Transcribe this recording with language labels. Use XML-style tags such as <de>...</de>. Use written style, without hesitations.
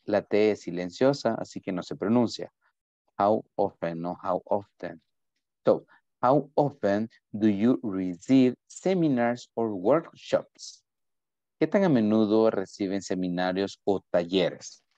<es>La T es silenciosa, así que no se pronuncia.</es> <en>How often, no how often. So, how often do you receive seminars or workshops?</en> <es>¿Qué tan a menudo reciben seminarios o talleres?</es>